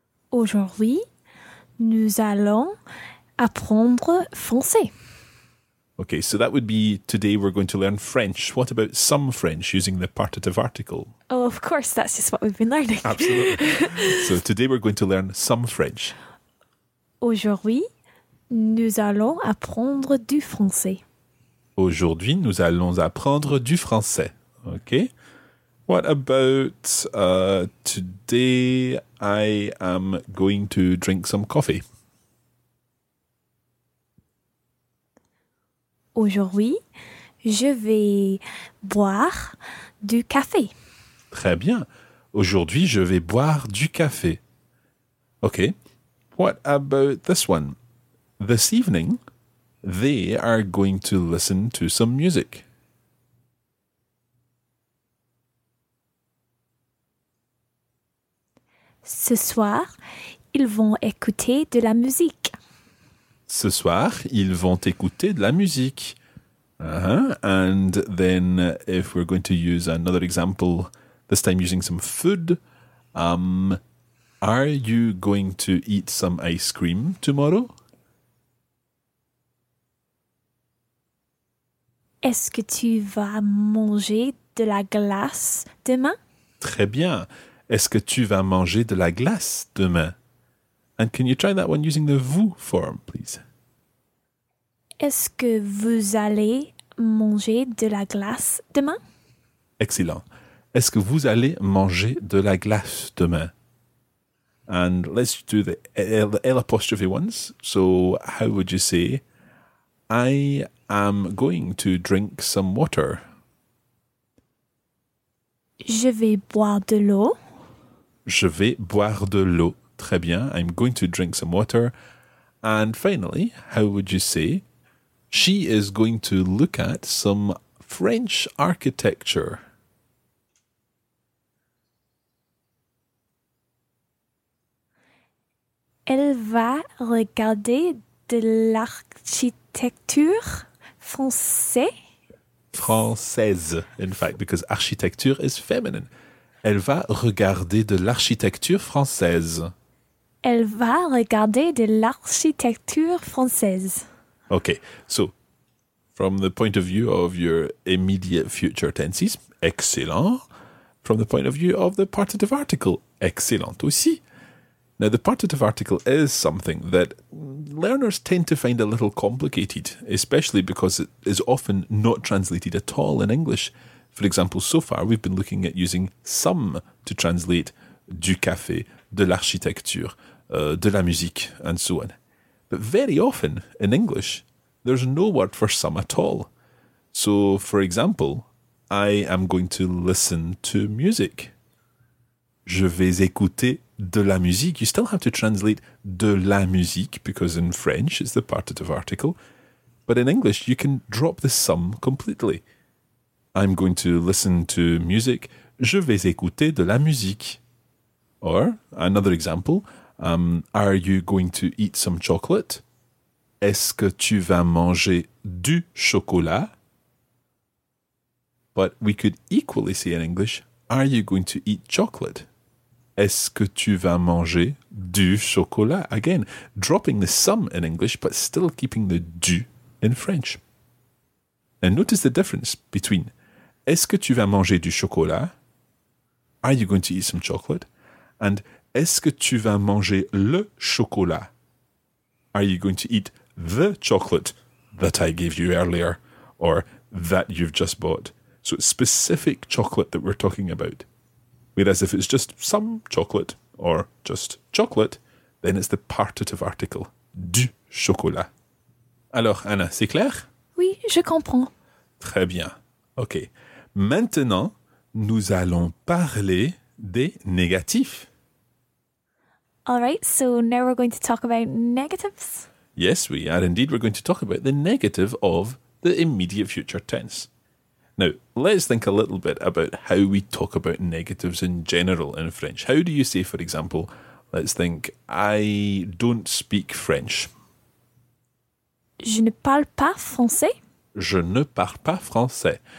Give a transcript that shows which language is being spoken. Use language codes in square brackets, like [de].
[fr] Aujourd'hui, nous allons apprendre français. [en] Okay, so that would be today we're going to learn French. What about some French using the partitive article? Oh, of course, that's just what we've been learning. Absolutely. So today we're going to learn some French. [fr] Aujourd'hui, nous allons apprendre du français. Aujourd'hui, nous allons apprendre du français. [en] Okay. What about today I am going to drink some coffee? [fr] Aujourd'hui, je vais boire du café. Très bien. Aujourd'hui, je vais boire du café. [en] Okay. What about this one? This evening, they are going to listen to some music. [fr] Ce soir, ils vont écouter de la musique. Ce soir, ils vont écouter de la musique. Uh-huh. [en] And then if we're going to use another example, this time using some food, are you going to eat some ice cream tomorrow? [fr] Est-ce que tu vas manger de la glace demain? Très bien. Est-ce que tu vas manger de la glace demain? [en] And can you try that one using the vous form, please? [fr] Est-ce que vous allez manger de la glace demain? [en] Excellent. [fr] Est-ce que vous allez manger de la glace demain? [en] And let's do the L apostrophe ones. So how would you say, I am going to drink some water. [fr] Je vais boire de l'eau. Je vais boire de l'eau. Très bien. [en] I'm going to drink some water. And finally, how would you say, she is going to look at some French architecture. [fr] Elle va regarder de l'architecture française. Française, [en] in fact, because architecture is feminine. [fr] Elle va regarder de l'architecture française. Elle va regarder de l'architecture française. [en] Okay, so from the point of view of your immediate future tenses, excellent. From the point of view of the partitive article, [fr] excellent aussi. [en] Now, the partitive article is something that learners tend to find a little complicated, especially because it is often not translated at all in English. For example, so far we've been looking at using some to translate [fr] du café, de l'architecture, de la musique, [en] and so on. But very often in English, there's no word for some at all. So, for example, I am going to listen to music. [fr] Je vais écouter de la musique. [en] You still have to translate [fr] de la musique [en] because in French it's the partitive article. But in English you can drop the some completely. I'm going to listen to music. [fr] Je vais écouter de la musique. [en] Or, another example, are you going to eat some chocolate? [fr] Est-ce que tu vas manger du chocolat? [en] But we could equally say in English, are you going to eat chocolate? [fr] Est-ce que tu vas manger du chocolat? [en] Again, dropping the some in English, but still keeping the du in French. And notice the difference between [fr] est-ce que tu vas manger du chocolat? [en] Are you going to eat some chocolate? [fr] And est-ce que tu vas manger le chocolat? [en] Are you going to eat the chocolate that I gave you earlier or that you've just bought? So it's specific chocolate that we're talking about. Whereas if it's just some chocolate or just chocolate, then it's the partitive article, [fr] du chocolat. Alors, Anna, c'est clair? Oui, je comprends. Très bien. OK. Maintenant, nous allons parler des négatifs. [en] All right, so now we're going to talk about negatives. Yes, we are. Indeed, we're going to talk about the negative of the immediate future tense. Now, let's think a little bit about how we talk about negatives in general in French. How do you say, for example, let's think, I don't speak French. [fr] Je ne parle pas français. Je ne parle pas français.